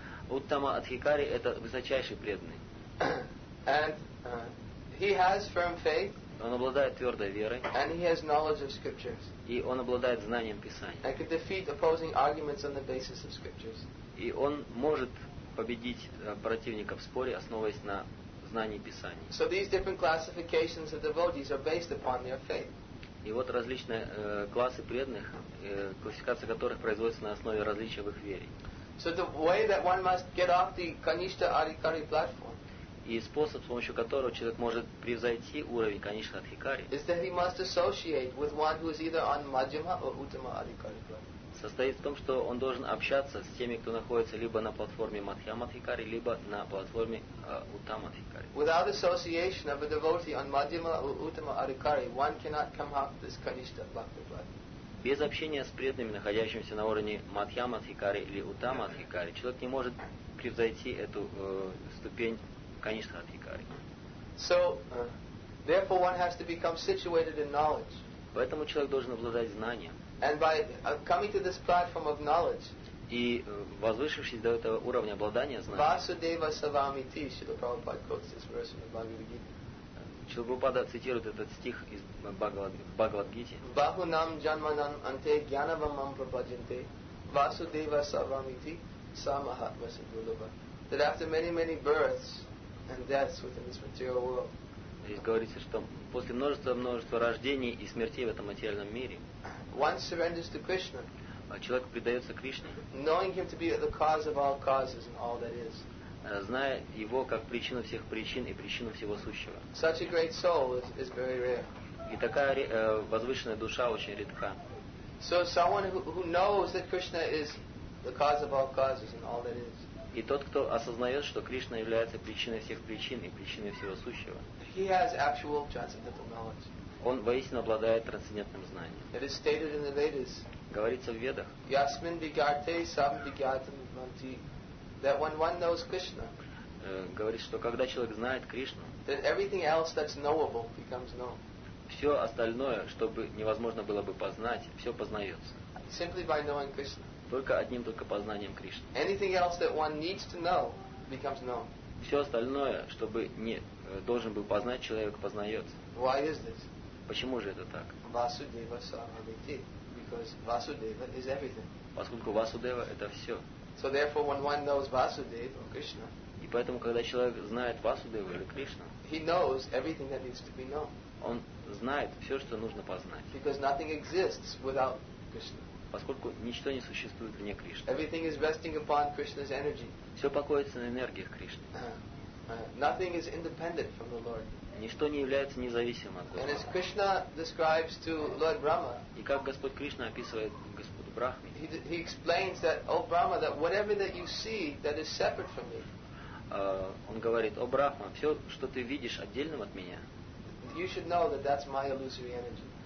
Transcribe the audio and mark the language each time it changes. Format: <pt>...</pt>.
<ru>Уттама Адхикари – это высочайший преданный.</ru> <en>And he has firm faith.</en> <ru>Он обладает твердой верой.</ru> <en>And he has knowledge of scriptures.</en> <ru>И он обладает знанием Писания.</ru> <en>And can defeat opposing arguments on the basis of scriptures.</en> <ru>И он может победить противника в споре, основываясь на знании Писания.</ru> <en>So these different classifications of devotees are based upon their faith.</en> <ru>И вот различные классы преданных, классификация которых производится на основе различия в их вере.</ru> <en>So the way that one must get off the kanishtha adhikari platform.</en> <ru>И способ, с помощью которого человек может превзойти уровень kanishtha adhikari.</ru> <en>Is that he must associate with one who is either on madhyama or uttama adhikari platform.</en> <ru>Состоит в том, что он должен общаться с теми, кто находится либо на платформе madhyama adhikari, либо на платформе uttama adhikari.</ru> <en>Without association of a devotee on madhyama or uttama adhikari, one cannot come up this kanishtha bhakti platform.</en> <ru>Без общения с преданными, находящимися на уровне Madhyama Adhikari или Uttama Adhikari, человек не может превзойти эту ступень kanishtha adhikari.</ru> <en>So, therefore one has to become situated in knowledge.</en> <ru>Поэтому человек должен обладать знанием.</ru> <en>And by coming to this platform of knowledge,</en> <ru>и возвышившись до этого уровня обладания знанием,</ru> <sa>Vasudeva Savamiti,</sa> <en>Srila Prabhupada quotes this verse in the Bhagavad Gita.</en> <ru>Шрила Прабхупада цитирует этот стих из Бхагавад-гиты.</ru> <sa>Бахунам джанманам анте гьянавамам прабхаджанте васудева савамити самахат васидвулова.</sa> <en>That after many, many births and deaths within this material world.</en> <ru>Здесь говорится, что после множества рождений и смертей в этом материальном мире,</ru> <en>one surrenders to Krishna,</en> <ru>человек предается Кришне,</ru> <en>knowing him to be the cause of all causes and all that is,</en> <ru>зная его как причину всех причин и причину всего сущего.</ru> <en>Such a great soul is very rare.</en> <ru>И такая возвышенная душа очень редка.</ru> <en>So someone who knows that Krishna is the cause of all causes and all that is.</en> <ru>И тот, кто осознает, что Кришна является причиной всех причин и причиной всего сущего.</ru> <en>He has actual transcendental knowledge.</en> <ru>Он воистину обладает трансцендентным знанием.</ru> <en>It is stated in the Vedas.</en> <ru>Говорится в Ведах.</ru> <sa>Yasmin vigarte sam vigyatam manti.</sa> <en>That when one knows Krishna,</en> <ru>говорит, что когда человек знает Кришну,</ru> <en>then everything else that's knowable becomes known.</en> <ru>все остальное, чтобы невозможно было бы познать, все познается.</ru> <en>Simply by knowing Krishna.</en> <ru>Только одним только познанием Кришны.</ru> <en>Anything else that one needs to know becomes known.</en> <ru>Все остальное, чтобы не должен был познать, человек познается.</ru> <en>Why is this?</en> <ru>Почему же это так?</ru> <sa>Vasudeva Saravati.</sa> <en>Because Vasudeva is everything.</en> <ru>Поскольку Васудева это все.</ru> <en>So therefore, when one knows Vasudeva or Krishna.</en> <ru>И поэтому, когда человек знает Васудеву или Кришну,</ru> <en>he knows everything that needs to be known.</en> <ru>Он знает все, что нужно познать.</ru> <en>Because nothing exists without Krishna.</en> <ru>Поскольку ничто не существует вне Кришны.</ru> <en>Everything is resting upon Krishna's energy.</en> <ru>Все покоится на энергиях Кришны.</ru> <en>Nothing is independent from the Lord.</en> <ru>Ничто не является независимым от Господа.</ru> <en>And as Krishna describes to Lord Brahma,</en> <ru>и как Господь Кришна описывает Господу Брахме,</ru> <en>he explains that, O Brahma, that whatever that you see that is separate from me,</en> <ru>он говорит, о Брахма, все, что ты видишь отдельным от меня,</ru> <en>you should know that that's my illusory energy.</en>